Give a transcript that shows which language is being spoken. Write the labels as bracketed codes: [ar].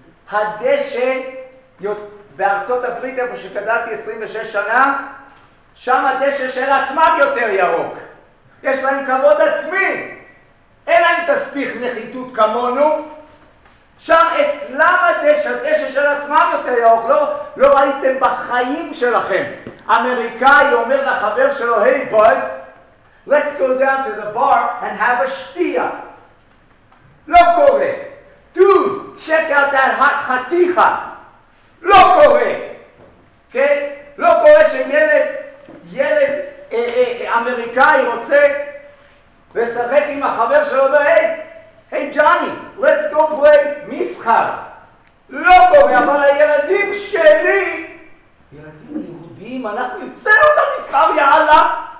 [he] הדשא, בארצות הברית, איפה שקדלתי 26 שנה, שם הדשא של עצמם יותר ירוק. יש להם כבוד עצמי. אין להם תספיך נחיתות כמונו. שם אצלם הדשא, הדשא של עצמם יותר ירוק. לא ראיתם בחיים שלכם. אמריקאי אומר לחבר שלו, [en] hey bud, let's go down to the bar and have a shtia. [he] לא קורה. [en] Dude, check out that hot חתיכה. [he] לא קורה. כן? לא קורה שילד, אמריקאי רוצה לשחק עם החבר שלו, [en] hey Johnny, let's go play [he] מסחר. לא קורה, אבל הילדים שלי, ילדים יהודים, אנחנו יוצאים את המסחר, יאללה.